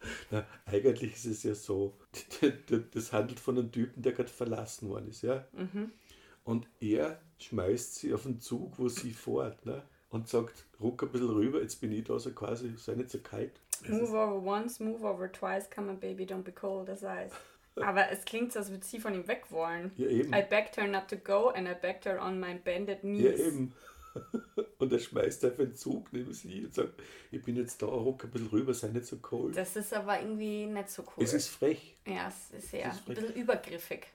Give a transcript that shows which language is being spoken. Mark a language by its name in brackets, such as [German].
[German] Na, eigentlich ist es ja so, das handelt von einem Typen, der gerade verlassen worden ist. Ja? Mhm. Und er schmeißt sie auf den Zug, wo sie fährt. Ne? Und sagt, ruck ein bisschen rüber, jetzt bin ich da, so quasi, sei nicht so kalt. [English] Move over once, move over twice, come on baby, don't be cold as ice. [German] Aber es klingt so, als würde sie von ihm weg wollen. Ja, eben. [English] I begged her not to go and I begged her on my bended knees. [German] Ja, eben. Und er schmeißt auf den Zug neben sie und sagt, ich bin jetzt da, ruck ein bisschen rüber, sei nicht so cold. Das ist aber irgendwie nicht so cool. Es ist frech. Ja, es ist sehr, es ist ein bisschen übergriffig.